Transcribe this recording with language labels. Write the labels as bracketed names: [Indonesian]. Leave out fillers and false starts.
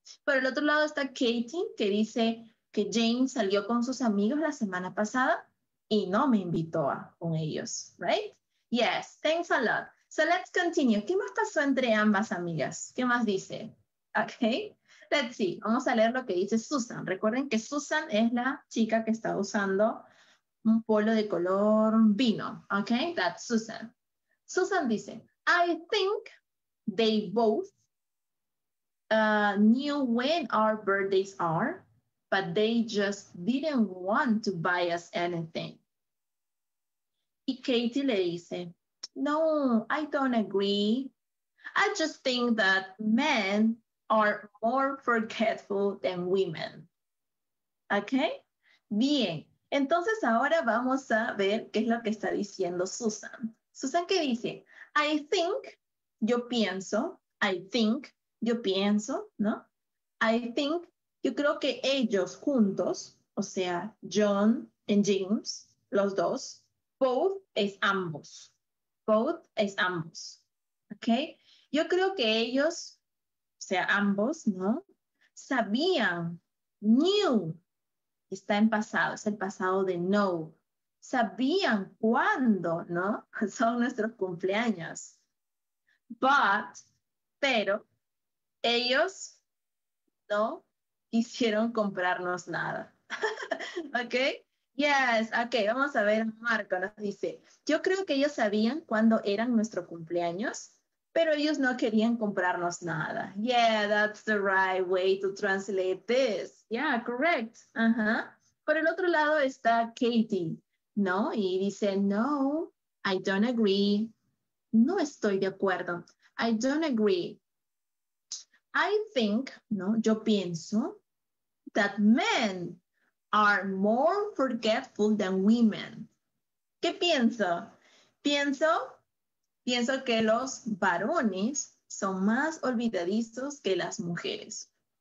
[Spanish] Por el otro lado está Katie, que dice que Jane salió con sus amigos la semana pasada y no me invitó a con ellos, right? [English] Yes, thanks a lot. So let's continue. [Spanish] ¿Qué más pasó entre ambas amigas? ¿Qué más dice? Okay, [English] let's see. [Spanish] Vamos a leer lo que dice Susan. Recuerden que Susan es la chica que está usando un polo de color vino. [English] Okay, that's Susan. [Spanish] Susan dice, [English] I think they both knew when our birthdays are, but they just didn't want to buy us anything. [Spanish] Y Katie le dice, no, [English] I don't agree. I just think that men are more forgetful than women. [Spanish] Okay? Bien. Entonces ahora vamos a ver qué es lo que está diciendo Susan. Susan, ¿qué dice? [English] I think, [Spanish] yo pienso, I think, yo pienso, ¿no? [English] I think, [Spanish] yo creo que ellos juntos, o sea, [English] John and James, [Spanish] los dos, both es ambos. Both es ambos. ¿Ok? Yo creo que ellos, o sea, ambos, ¿no? Sabían, knew, está en pasado, es el pasado de know. Sabían cuándo, ¿no? Son nuestros cumpleaños. But, pero, ellos, ¿no? Quisieron comprarnos nada. ¿Ok? Yes, ok, vamos a ver. Marco nos dice, yo creo que ellos sabían cuándo eran nuestro cumpleaños, pero ellos no querían comprarnos nada. [English] Yeah, that's the right way to translate this. Yeah, correct. [Spanish] Uh-huh. Por el otro lado está Katie, ¿no? Y dice, no, [English] I don't agree. [Spanish] No estoy de acuerdo. [English] I don't agree. I think, ¿no? [Spanish] Yo pienso [English] that men are more forgetful than women. [Spanish] ¿Qué pienso? Pienso que los varones son más olvidadizos que las mujeres.